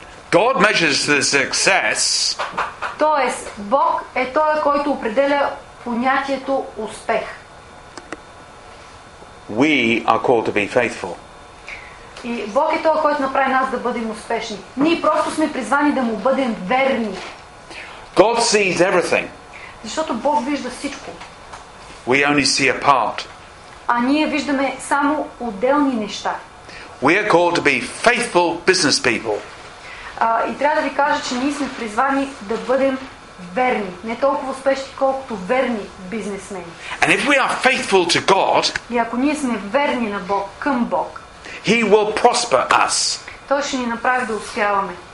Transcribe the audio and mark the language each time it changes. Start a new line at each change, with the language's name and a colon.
English: God measures the success.
Bulgarian: Тоест, Бог е той, който определя понятието успех.
English: We are called to be faithful.
Bulgarian: И Бог е той, който направи нас да бъдем успешни. Ние просто сме призвани да му бъдем верни.
English: God sees everything.
Bulgarian: Защото Бог вижда всичко.
English: We only see a part.
Bulgarian: А ние виждаме само отделни неща.
English: We are called to be faithful business people.
Bulgarian: И трябва да ви кажа, че ние сме призвани да бъдем верни, не толкова успешни, колкото верни бизнесмени.
English: And if we are faithful to God,
Bulgarian: и ако ние сме верни на Бог, към Бог,
English: He will prosper us.
Bulgarian: Той ще ни направи да успяваме.